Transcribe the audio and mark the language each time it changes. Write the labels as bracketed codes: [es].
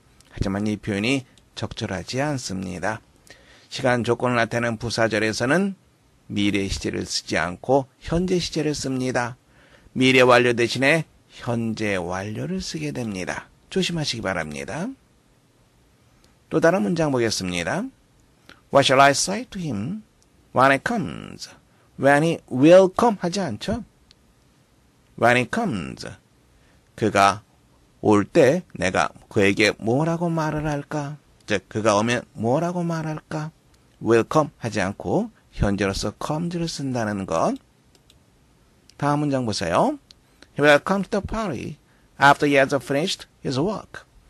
[ko] 하지만 이 표현이 적절하지 않습니다. 시간 조건을 나타내는 부사절에서는 미래 시제를 쓰지 않고 현재 시제를 씁니다. 미래 완료 대신에 현재 완료를 쓰게 됩니다. 조심하시기 바랍니다. 또 다른 문장 보겠습니다. [en] What shall I say to him when he comes? When he will come [ko] 하지 않죠? [en] When he comes. [ko] 그가 올 때 내가 그에게 뭐라고 말을 할까? 즉 그가 오면 뭐라고 말할까? Will come 하지 않고 현재로서 comes를 쓴다는 것. 다음 문장 보세요. [en] He will come to the party after he has finished his work.